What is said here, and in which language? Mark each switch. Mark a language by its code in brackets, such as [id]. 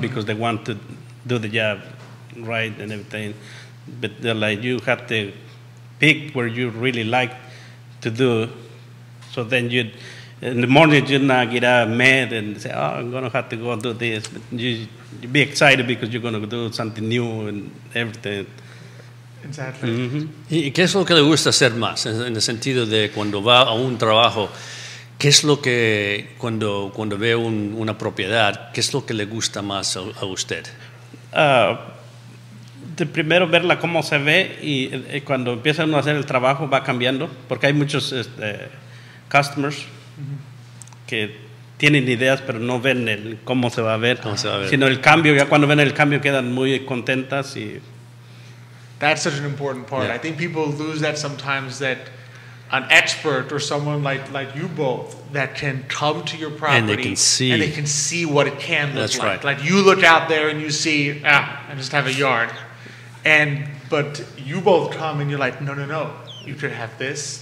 [en] because they want to do the job. Right and everything, but they're like, you have to pick where you really like to do, so then you in the morning you not get mad and say, oh, I'm gonna have to go do this, but you be excited because you're gonna do something new and everything. Exactly. [es] Mm-hmm. ¿Y qué es lo que le gusta hacer más en el sentido de cuando va a un trabajo? ¿Qué es lo que cuando ve una propiedad, qué es lo que le gusta más a usted? Primero verla cómo se ve y cuando empieza uno a hacer el trabajo va cambiando porque hay muchos customers que tienen ideas pero no ven el cómo se va a ver, ¿cómo se va a ver? Sino el cambio, ya cuando ven el cambio quedan muy contentas y [en] That's such an important part. Yeah. I think people lose that sometimes, that an expert or someone like you both that can come to your property and they can see, and they can see what it can look that's like. Right. Like you look out there and you see, I just have a yard. But you both come and you're like, no. You could have this.